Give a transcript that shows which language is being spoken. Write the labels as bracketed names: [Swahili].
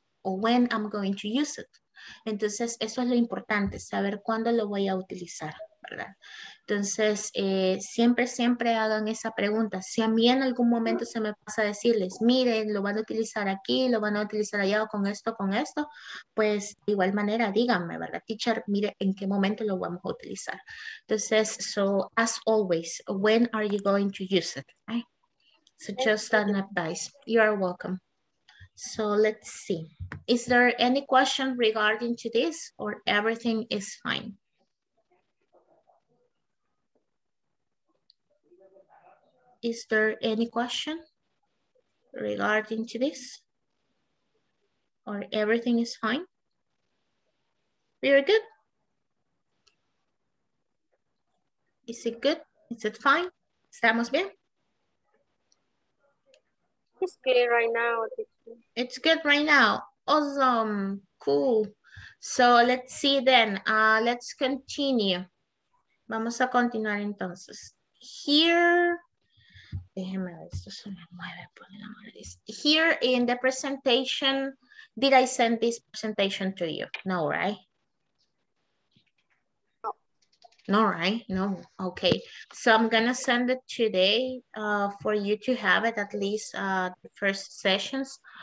[English] O when I'm going to use it. [Spanish] Entonces, eso es lo importante, saber cuándo lo voy a utilizar, ¿verdad? Entonces, siempre, siempre hagan esa pregunta. Si a mí en algún momento se me pasa a decirles, miren, lo van a utilizar aquí, lo van a utilizar allá o con esto, pues de igual manera díganme, ¿verdad? Teacher, mire, ¿en qué momento lo vamos a utilizar? [English] Entonces, so as always, when are you going to use it? Okay? So just an advice. You are welcome. So let's see. Is there any question regarding to this or everything is fine? Is there any question regarding to this or everything is fine? We are good? Is it good? Is it fine? [Spanish] Estamos bien? [English] It's good right now. It's good right now. Awesome. Cool. So let's see then. Let's continue. [Spanish] Vamos a continuar entonces. [English] Here. [Spanish] Déjeme ver, esto se me mueve, por el amor de Dios. [English] Here in the presentation, did I send this presentation to you? No, right? No. No, right? No. Okay. So I'm going to send it today for you to have it at least the first sessions.